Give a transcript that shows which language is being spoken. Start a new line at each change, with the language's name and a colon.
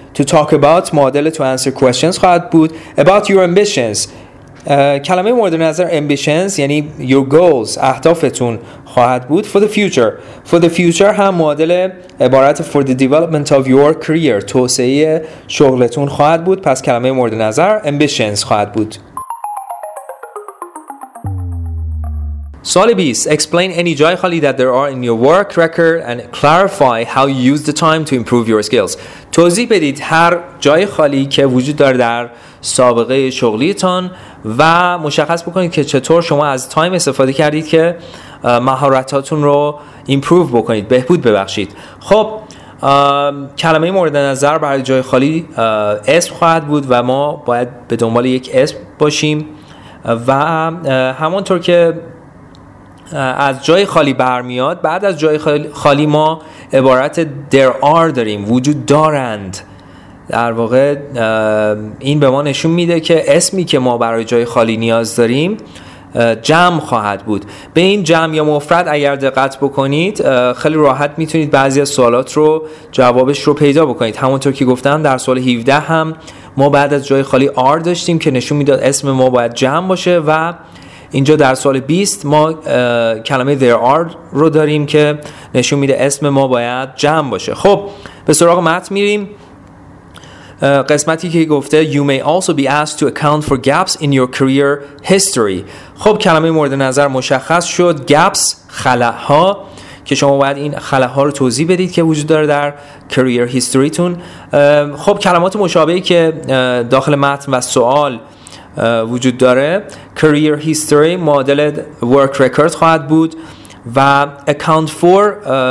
English: to talk about معادل to answer questions
Persian: خواهد بود.
English: about your ambitions
Persian: کلمه مورد نظر
English: ambitions
Persian: یعنی
English: your goals
Persian: اهدافتون خواهد بود.
English: for the future
Persian: هم معادل عبارت
English: for the development of your career
Persian: توسعه شغلتون خواهد بود. پس کلمه مورد نظر ambitions خواهد بود. سوال 20.
English: Explain any
Persian: جای خالی
English: that there are in your work record and clarify how you use the time to improve your skills.
Persian: توضیح بدید هر جای خالی که وجود داره در سابقه شغلیتان و مشخص بکنید که چطور شما از تایم استفاده کردید که مهارتاتون رو ایمپروو بکنید، بهبود ببخشید. خب کلمه مورد نظر برای جای خالی اسم خواهد بود و ما باید به دنبال یک اسم باشیم و همونطور که از جای خالی برمیاد بعد از جای خالی ما عبارت
English: there are
Persian: داریم، وجود دارند. در واقع این به ما نشون میده که اسمی که ما برای جای خالی نیاز داریم جمع خواهد بود. به این جمع یا مفرد اگر دقت بکنید خیلی راحت میتونید بعضی از سوالات رو جوابش رو پیدا بکنید. همونطور که گفتم در سوال 17 هم ما بعد از جای خالی are داشتیم که نشون میداد اسم ما باید جمع باشه و اینجا در سوال 20 ما کلمه
English: there are
Persian: رو داریم که نشون میده اسم ما باید جمع باشه. خب به سراغ متن میریم. قسمتی که گفته
English: you may also be asked to account for gaps in your career history.
Persian: خب کلمه مورد نظر مشخص شد، gaps خلأها، که شما باید این خلأها رو توضیح بدید که وجود داره در
English: career history
Persian: تون. خب کلمات مشابهی که داخل متن و سوال وجود داره،
English: career history
Persian: معادل
English: work record
Persian: خواهد بود و
English: account for